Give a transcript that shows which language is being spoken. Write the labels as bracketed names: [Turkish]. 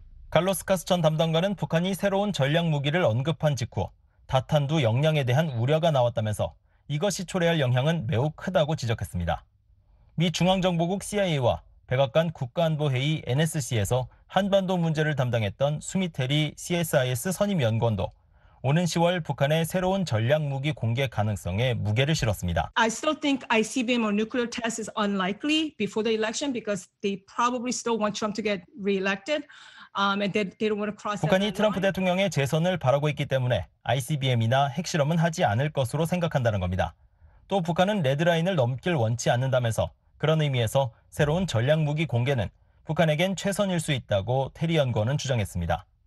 [Korean] 갈로스카스 전 담당관은 북한이 새로운 전략무기를 언급한 직후 다탄두 역량에 대한 우려가 나왔다면서 이것이 초래할 영향은 매우 크다고 지적했습니다. 미 중앙정보국 CIA와 백악관 국가안보회의 NSC에서 한반도 문제를 담당했던 수미테리 CSIS 선임연구원도 오는 10월 북한의 새로운 전략무기 공개 가능성에 무게를 실었습니다. [English] I still think ICBM or nuclear test is unlikely before the election because they probably still want Trump to get re-elected. And they don't want to cross. [Korean] 북한이 트럼프 대통령의 재선을 바라고 있기 때문에 ICBM이나 핵실험은 하지 않을 것으로 생각한다는 겁니다. 또 북한은 레드라인을 넘길 원치 않는다면서 그런 의미에서 새로운 전략무기 공개는 북한에겐 최선일 수 있다고 테리 연구원은 주장했습니다.